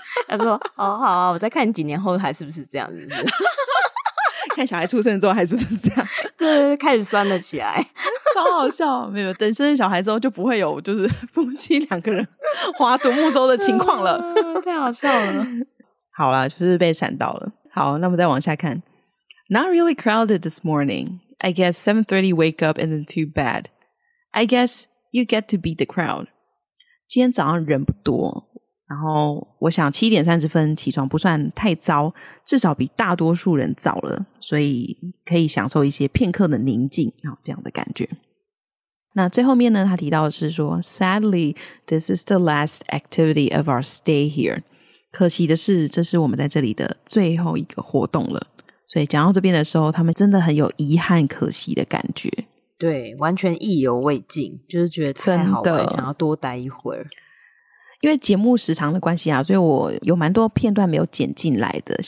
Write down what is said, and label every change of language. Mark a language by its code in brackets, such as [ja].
[zh] 他说：“哦，好啊，我再看你几年后还是不是这样，是不是？看小孩出生之后还是不是这样？” 对，开始酸了起来。超好笑。没有，等生了小孩之后就不会有就是夫妻两个人划独木舟的情况了。太好笑了。好啦，就是被闪到了。好，那我们再往下看。 [en] Not really crowded this morning. I guess 7:30 wake up isn't too bad. I guess you get to beat the crowd. [zh] 今天早上人不多，然后我想7:30起床不算太糟，至少比大多数人早了，所以可以享受一些片刻的宁静，然后这样的感觉。那最后面呢，他提到的是说 [en] Sadly, this is the last activity of our stay here. [zh] 可惜的是，这是我们在这里的最后一个活动了。所以讲到这边的时候，他们真的很有遗憾可惜的感觉。对，完全意犹未尽，就是觉得太好玩，真的想要多待一会儿。因为节目时长的关系啊，所以我有蛮多片段没有剪进来的。